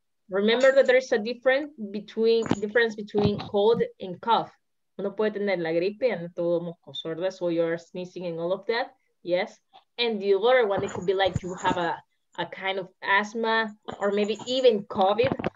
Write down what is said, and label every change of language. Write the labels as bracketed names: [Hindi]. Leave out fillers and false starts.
[English] Remember that there is a difference between cold and cough. [Spanish] Uno puede tener la gripe y anda todo mocoso, ¿verdad? [English] So you're sneezing and all of that. Yes. And the other one, it could be like you have a kind of asthma or maybe even COVID.